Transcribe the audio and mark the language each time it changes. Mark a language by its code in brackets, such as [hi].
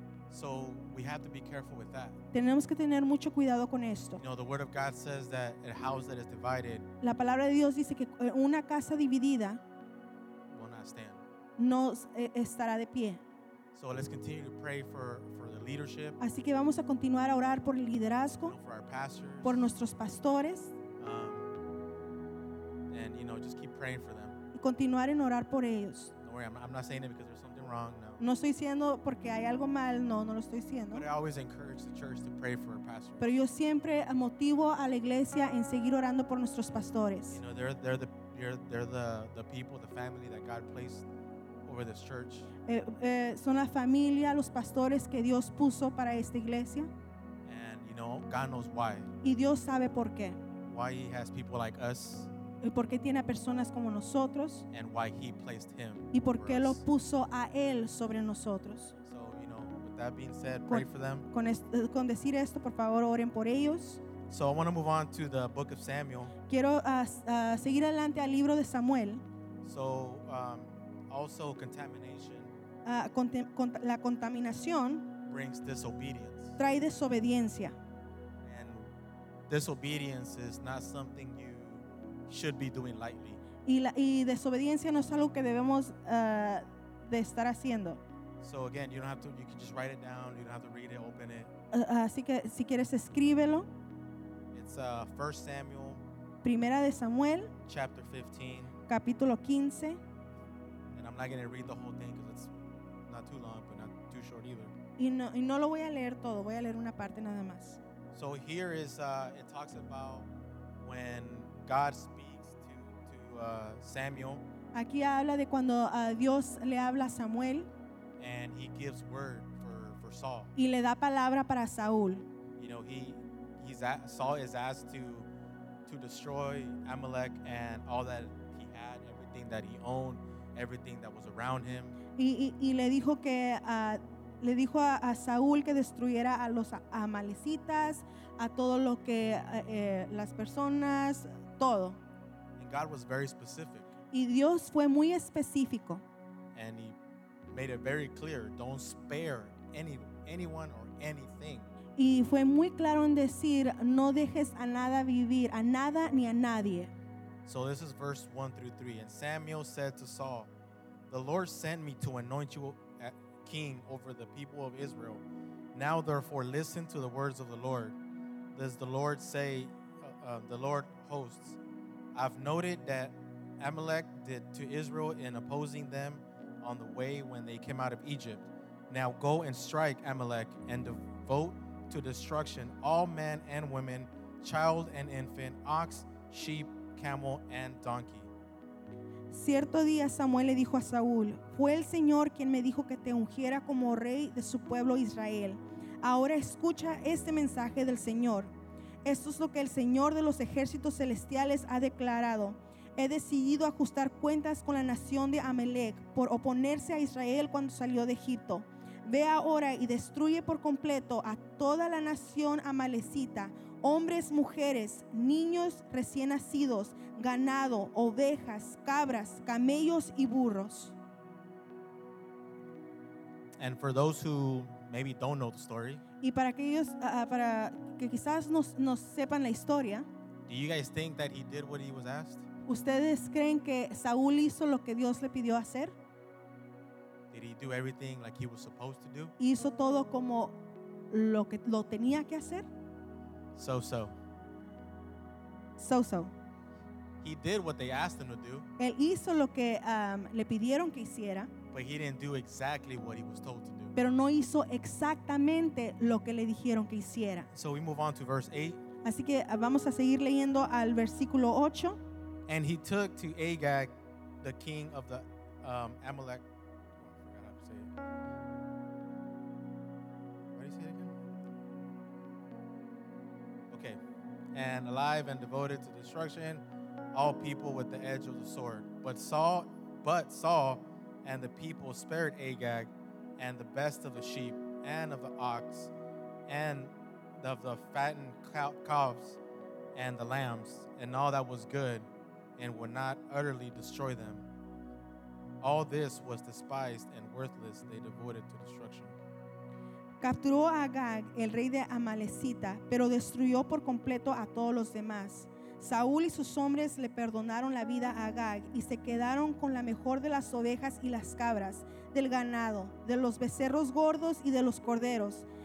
[en] So we have to be careful with that. [es] Tenemos que tener mucho cuidado con esto. [en] You know, the word of God says that a house that is divided, [es] la palabra de Dios dice que una casa dividida [en] will not stand. [es] No estará de pie. [en] So let's continue to pray for the leadership. [es] Así que vamos a continuar a orar por el liderazgo, [en] you know, for our pastors, [es] por nuestros pastores. [en] And you know, just keep praying for them. [es] Y continuar en orar por ellos. [en] Don't worry, I'm not saying it because there's something wrong. [es] No. No estoy diciendo porque hay algo mal. No, no lo estoy diciendo. [en] But I always encourage the church to pray for our pastors. [es] Pero yo siempre motivo a la iglesia en seguir orando por nuestros pastores. [en] You know, they're the people, the family that God placed over this church. [es] Son la familia, los pastores que Dios puso para esta iglesia. [en] And you know, God knows why. [es] Y Dios sabe por qué. [en] Why He has people like us. [es] Y por qué tiene a personas como nosotros. [en] And why He placed Him. [es] Y por qué lo puso a él sobre nosotros. [en] So you know, with that being said, pray for them. [es] Con decir esto, por favor, oren por ellos. [en] So I want to move on to the book of Samuel. [es] Quiero seguir adelante al libro de Samuel. [en] So also contamination. [es] La contaminación [en] brings disobedience. [es] Trae desobediencia. [en] And disobedience is not something you should be doing lightly. [es] Y desobediencia no es algo que debemos de estar haciendo. [en] So again, you don't have to. You can just write it down. You don't have to read it, open it. [es] Así que si quieres escríbelo. [en] It's 1 Samuel. [es] Primera de Samuel. [en] Chapter 15. [es] Capítulo 15. [en] And I'm not going to read the whole thing because it's not too long, but not too short either. [es] Y no lo voy a leer todo. Voy a leer una parte nada más. [en] So here is it talks about when God speaks to Samuel. [es] Aquí habla de cuando Dios le habla a Samuel. [en] And He gives word for Saul. [es] Y le da palabra para Saúl. [en] You know, Saul is asked to destroy Amalek and all that he had, everything that he owned, everything that was around him. [es] Y le dijo que le dijo a Saúl que destruyera a los amalecitas, a todo lo que las personas. Todo. [en] And God was very specific. [es] Y Dios fue muy específico. [en] And He made it very clear, don't spare anyone or anything. [es] Y fue muy claro en decir, no dejes a nada vivir, a nada ni a nadie. [en] So this is verse 1-3. And Samuel said to Saul, the Lord sent me to anoint you king over the people of Israel. Now therefore listen to the words of the Lord. Does the Lord say, the Lord hosts, I've noted that Amalek did to Israel in opposing them on the way when they came out of Egypt. Now go and strike Amalek and devote to destruction all men and women, child and infant, ox, sheep, camel, and donkey. [es] Cierto día Samuel le dijo a Saúl, fue el Señor quien me dijo que te ungiera como rey de su pueblo Israel. Ahora escucha este mensaje del Señor. Esto es lo que el Señor de los ejércitos celestiales ha declarado. He decidido ajustar cuentas con la nación de Amalek por oponerse a Israel cuando salió de Egipto. Ve ahora y destruye por completo a toda la nación amalecita, hombres, mujeres, niños recién nacidos, ganado, ovejas, cabras, camellos y burros. [en] And for those who maybe don't know the story, [es] y para aquellos para que quizás no sepan la historia. [en] Do you guys think that he did what he was asked? [es] ¿Ustedes creen que Saúl hizo lo que Dios le pidió hacer? [en] Did he do everything like he was supposed to do? [es] ¿Hizo todo como lo que lo tenía que hacer? [en] So-so. He did what they asked him to do. [es] Él hizo lo que le pidieron que hiciera. [en] But he didn't do exactly what he was told to do. [es] Pero no hizo exactamente lo que le dijeron que hiciera. [en] So we move on to verse 8. [es] Así que vamos a seguir leyendo al versículo 8. [en] And he took to Agag, the king of the Amalek. Oh, I forgot how to say it. What did he say again? Okay. And alive and devoted to destruction, all people with the edge of the sword. But Saul and the people spared Agag and the best of the sheep and of the ox and of the fattened calves and the lambs and all that was good and would not utterly destroy them. All this was despised and worthless. They devoted to destruction. [es] capturó a Agag, el rey de Amalecita, pero destruyó por completo a todos los demás. Saúl y sus hombres le perdonaron la vida a Agag y se quedaron con la mejor de las ovejas y las cabras, del ganado, de los becerros gordos y de los corderos.